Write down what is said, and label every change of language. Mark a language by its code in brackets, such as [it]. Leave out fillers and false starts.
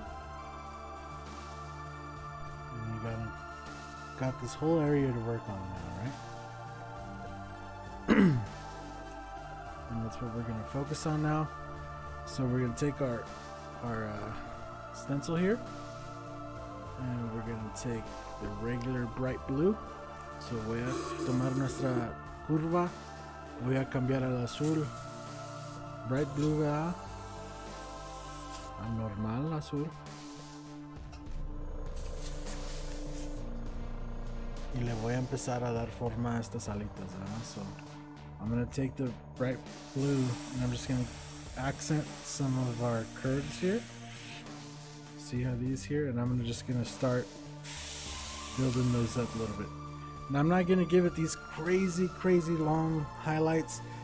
[en] And you got this whole area to work on now, right? And that's what we're going to focus on now. So we're going to take our stencil here, and we're going to take the regular bright blue. [es] So voy a tomar nuestra curva, voy a cambiar al azul bright blue, ¿verdad? A normal azul, y le voy a empezar a dar forma a estas alitas, ¿verdad? [en] So I'm gonna take the bright blue and I'm just gonna accent some of our curves here. See how these here? And I'm gonna just gonna start building those up a little bit. And I'm not gonna give it these crazy, crazy long highlights.